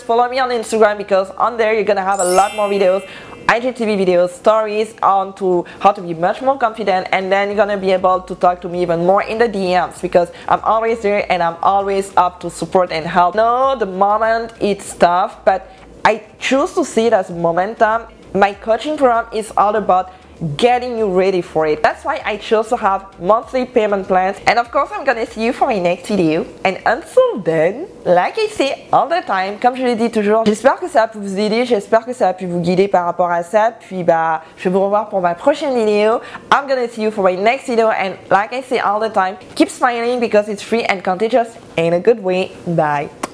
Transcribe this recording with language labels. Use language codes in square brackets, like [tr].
[en] Follow me on Instagram, because on there you're gonna have a lot more videos, IGTV videos, stories on to how to be much more confident, and then you're gonna be able to talk to me even more in the DMs, because I'm always there and I'm always up to support and help. No, the moment it's tough, but I choose to see it as momentum. My coaching program is all about getting you ready for it. That's why I chose to have monthly payment plans. And of course, I'm gonna see you for my next video. And until then, like I say all the time, [fr] comme je le dis toujours, j'espère que ça a pu vous aider, j'espère que ça a pu vous guider par rapport à ça. Puis bah, je vais vous revoir pour ma prochaine vidéo. [en] I'm gonna see you for my next video. And like I say all the time, keep smiling, because it's free and contagious in a good way. Bye.